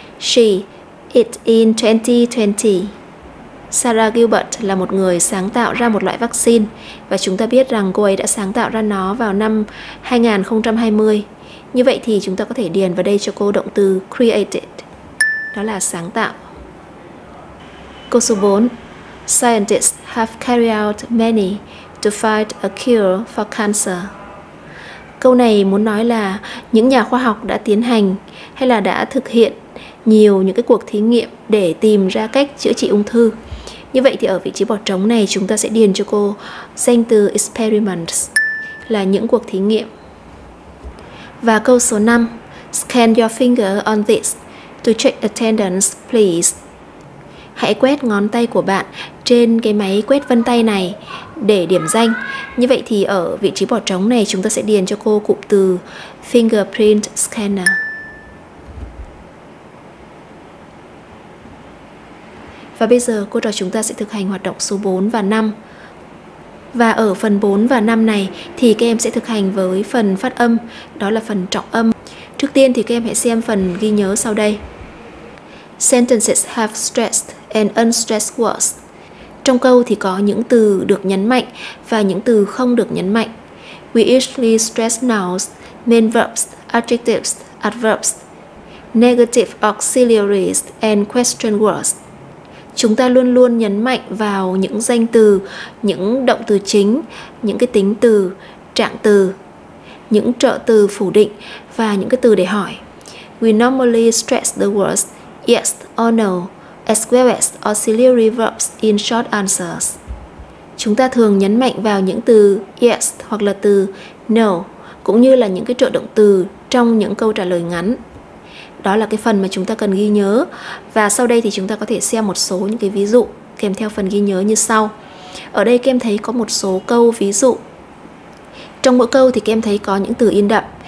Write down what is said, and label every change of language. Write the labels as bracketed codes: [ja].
[en] She, it in 2020. [vi] Sarah Gilbert là một người sáng tạo ra một loại vaccine, và chúng ta biết rằng cô ấy đã sáng tạo ra nó vào năm 2020. Như vậy thì chúng ta có thể điền vào đây cho cô động từ created, đó là sáng tạo. Câu số 4, [en] Scientists have carried out many to find a cure for cancer. [vi] Câu này muốn nói là những nhà khoa học đã tiến hành hay là đã thực hiện nhiều những cái cuộc thí nghiệm để tìm ra cách chữa trị ung thư. Như vậy thì ở vị trí bỏ trống này chúng ta sẽ điền cho cô danh từ experiments, là những cuộc thí nghiệm. Và câu số 5, [en] scan your finger on this to check attendance, please. [vi] Hãy quét ngón tay của bạn trên cái máy quét vân tay này để điểm danh. Như vậy thì ở vị trí bỏ trống này chúng ta sẽ điền cho cô cụm từ fingerprint scanner. Và bây giờ cô trò chúng ta sẽ thực hành hoạt động số 4 và 5. Và ở phần 4 và 5 này thì các em sẽ thực hành với phần phát âm, đó là phần trọng âm. Trước tiên thì các em hãy xem phần ghi nhớ sau đây. [en] Sentences have stressed and unstressed words. [vi] Trong câu thì có những từ được nhấn mạnh và những từ không được nhấn mạnh. [en] We usually stress nouns, main verbs, adjectives, adverbs, negative auxiliaries and question words. [vi] Chúng ta luôn luôn nhấn mạnh vào những danh từ, những động từ chính, những cái tính từ, trạng từ, những trợ từ phủ định và những cái từ để hỏi. [en] We normally stress the words yes or no, as well as auxiliary verbs in short answers. [vi] Chúng ta thường nhấn mạnh vào những từ yes hoặc là từ no, cũng như là những cái trợ động từ trong những câu trả lời ngắn. Đó là cái phần mà chúng ta cần ghi nhớ. Và sau đây thì chúng ta có thể xem một số những cái ví dụ kèm theo phần ghi nhớ như sau. Ở đây các em thấy có một số câu ví dụ. Trong mỗi câu thì các em thấy có những từ in đậm.